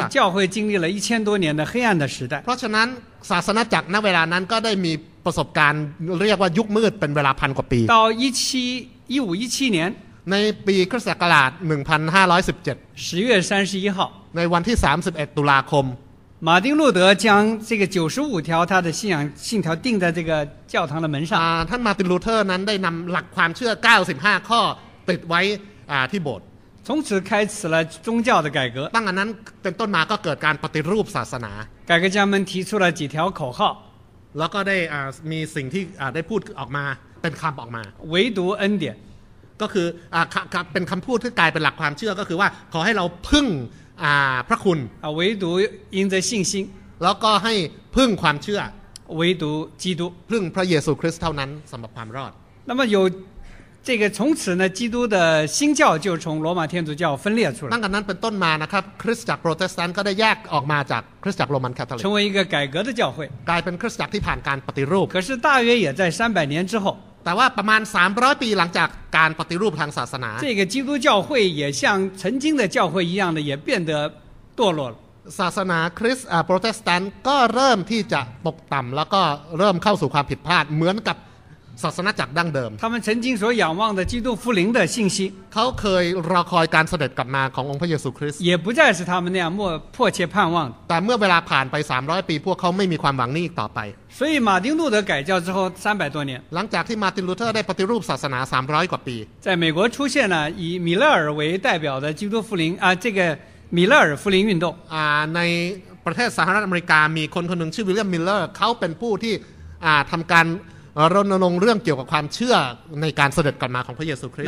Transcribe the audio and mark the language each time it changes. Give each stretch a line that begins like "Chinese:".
Chinese: 所以教会经历了一千多年的黑暗的时代
Thai: เพราะฉะนั้นศาสนาจักรณเวลานั้นก็ได้มีประสบการณ์เรียกว่ายุคมืดเป็นเวลาพันกว่าปี
Chinese: 到1517年
Thai: ในปีคริสต์ศักราช1517
Chinese: 10月31号
Thai: ในวันที่31ตุลาคม
Chinese: 马丁路德将这个95条他的信仰信条钉在这个教堂的门上
Thai: ท่านมาร์ตินลูเทอร์นั้นได้นำหลักความเชื่อ95ข้อติดไว้ที่โบสถ์
Chinese: 从此开始了宗教的改革
Thai: ตั้งแต่นั้นเป็นต้นมาก็เกิดการปฏิรูปศาสนา
Chinese: 改革家们提出了几条口号
Thai: แล้วก็ได้มีสิ่งที่ได้พูดออกมาเป็นคำออกมา
Chinese: 唯独恩典
Thai: ก็คือเป็นคำพูดที่กลายเป็นหลักความเชื่อก็คือว่าขอให้เราพึ่งพระคุณ เวดูอินเดอร์ซิงซิง แล้วก็ให้พึ่งความเชื่อ เวดูจีดู พึ่งพระเยซูคริสต์เท่านั้นสำหรับความรอด
Chinese: 那么有这个从此呢基督的新教就从罗马天主教分裂出来
Thai: ตั้งแต่นั้นเป็นต้นมานะครับคริสตจักรโปรเตสแตนต์ก็ได้แยกออกมาจากคริสตจักรโรมันคาทอลิก
Chinese: 成为一个改革的教会
Thai: กลายเป็นคริสตจักรที่ผ่านการปฏิรูป
Chinese: 可是大约也在300年之后
Thai: แต่ว่าประมาณ300ปีหลังจากการปฏิรูปทางศาสนา
Chinese: 这个基督教会也像曾经的教会一样的也变得堕落了
Thai: ศาสนาคริสต์โปรเตสแตนต์ก็เริ่มที่จะตกต่ำแล้วก็เริ่มเข้าสู่ความผิดพลาดเหมือนกับศาสนาจักรดั้งเดิม
Chinese: 他们曾经所仰望的基督复临的信息
Thai: เขาเคยรอคอยการเสด็จกลับมาขององค์พระเยซูคริสต์
Chinese: 也不再是他们那样默迫切盼望
Thai: แต่เมื่อเวลาผ่านไป300ปีพวกเขาไม่มีความหวังนี้อีกต่อไป
Chinese: 所以马丁路德改教之后300多年
Thai: หลังจากที่มาร์ตินลูเทอร์ได้ปฏิรูปศาสนา300กว่าปี
Chinese: 在美国出现了以米勒尔为代表的基督复临啊这个米勒尔复临运动
Thai: ในประเทศสหรัฐอเมริกามีคนคนนึงชื่อวิลเลียมมิลเลอร์เขาเป็นผู้ที่ทำการรณรงค์เรื่องเกี่ยวกับความเชื่อในการเสด็จกลับมาของพระเยซูคริสต์